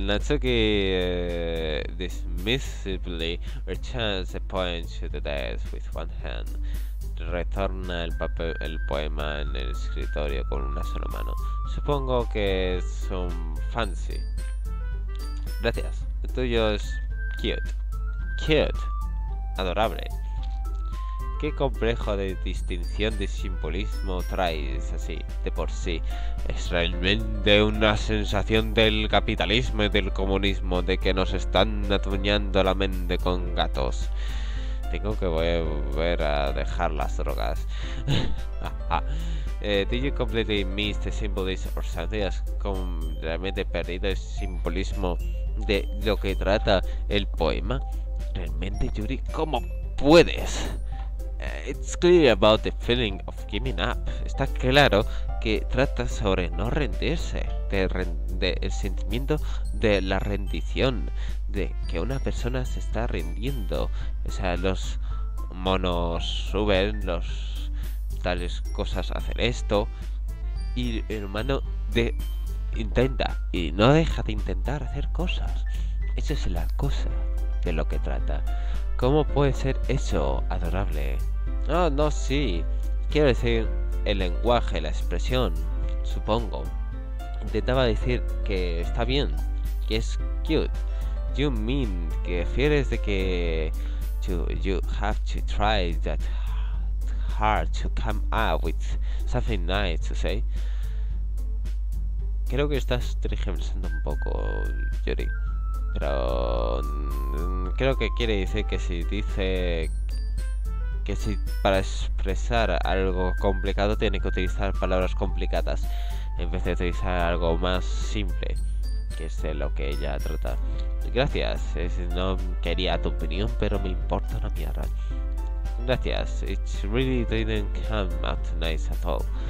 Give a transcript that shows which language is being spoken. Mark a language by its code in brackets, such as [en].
[en] Natsuki dismissively returns the poem to the desk with one hand. [es] Retorna el papel, el poema en el escritorio con una sola mano. Supongo que es un fancy. Gracias. El tuyo es cute. Cute. Adorable. Qué complejo de distinción de simbolismo traes así, de por sí. Es realmente una sensación del capitalismo y del comunismo, de que nos están atuñando la mente con gatos. Tengo que volver a dejar las drogas. [en] Did you completely miss the symbolism or something? [es] ¿Has realmente perdido el simbolismo de lo que trata el poema? Realmente, Yuri, ¿cómo puedes? [en] It's clear about the feeling of giving up. [es] Está claro que trata sobre no rendirse, el sentimiento de la rendición, de que una persona se está rindiendo. O sea, los monos suben, los tales cosas hacen esto, y el humano intenta y no deja de intentar hacer cosas. Esa es la cosa de lo que trata. ¿Cómo puede ser eso, adorable? No, sí. Quiero decir, el lenguaje, la expresión, supongo. intentaba decir que está bien, que es cute. [en] You mean [es] que fieres de que [en] you have to try that hard to come up with something nice to say. [es] Creo que estás tergiversando un poco, Yuri. Pero creo que quiere decir que si dice que si para expresar algo complicado tiene que utilizar palabras complicadas en vez de utilizar algo más simple, que es de lo que ella trata. Gracias, no quería tu opinión, pero me importa una mierda. Gracias, [en] it really didn't come out nice at all.